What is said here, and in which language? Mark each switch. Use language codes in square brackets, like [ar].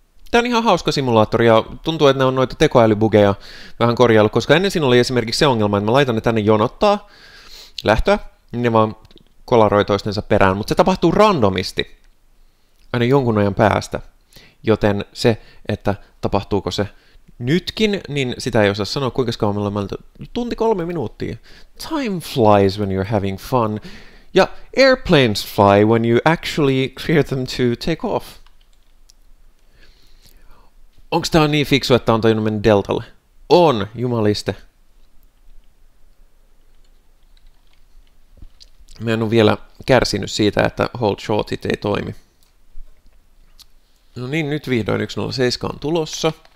[fi] Tää on ihan hauska simulaattori ja tuntuu, että ne on noita tekoälybugeja vähän korjailu, koska ennen siinä oli esimerkiksi se ongelma, että mä laitan ne tänne jonottaa lähtöä, niin ne vaan kolaroi toistensa perään, mutta se tapahtuu randomisti aina jonkun ajan päästä, joten se, että tapahtuuko se nytkin, niin sitä ei osaa sanoa, kuinka kauan me ollaan, tunti 3 minuuttia. [en] Time flies when you're having fun. Ja airplanes fly when you actually clear them to take off. [fi] Onks tää niin fiksu, että on tajunnut mennä Deltalle? On, jumaliste. Mä en oo vielä kärsinyt siitä, että hold shortit ei toimi. No niin, nyt vihdoin 107 on tulossa.